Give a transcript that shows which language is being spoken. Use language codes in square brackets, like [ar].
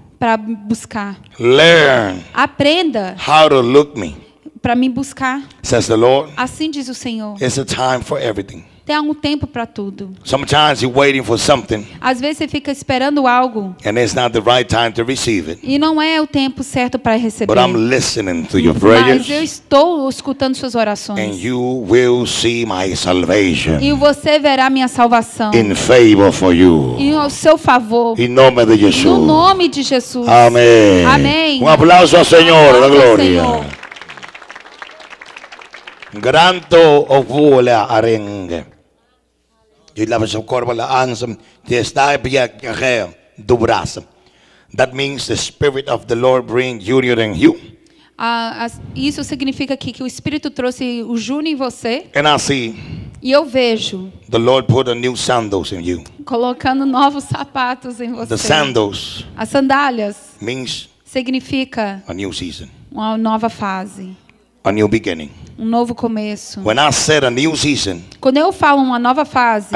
[pt] Para buscar. [en] Learn. [pt] Aprenda. [en] How to look me. [pt] Para me buscar. [en] Says the Lord. [pt] Assim diz o Senhor. [en] It's a time for everything. [pt] Tem um tempo para tudo. [en] Sometimes you're waiting for something. [pt] Às vezes você fica esperando algo. [en] And it's not the right time to receive it. [pt] E não é o tempo certo para receber. [en] But I'm listening to your prayers. [pt] Mas eu estou escutando suas orações. [en] And you will see my salvation. [pt] E você verá minha salvação. [en] In favor for you. [pt] E ao seu favor. Em nome de Jesus. No nome de Jesus. Amém. Amém. Um aplauso ao Senhor da glória. Granto ovule arenge. Eu lavo seu corpo lá ansam de estar via que do braço. [en] That means the Spirit of the Lord bring union in you. [pt] Isso significa que o Espírito trouxe o Júnior em você. [en] And I see. [pt] E eu vejo. [en] The Lord put a new sandals in you. [pt] Colocando novos sapatos em você. [en] The sandals. [pt] As sandálias. [en] Means. [pt] Significa. [en] A new season. [pt] Uma nova fase. [en] A new beginning. [pt] Um novo começo. [en] When I said a new season. [pt] Quando eu falo uma nova fase.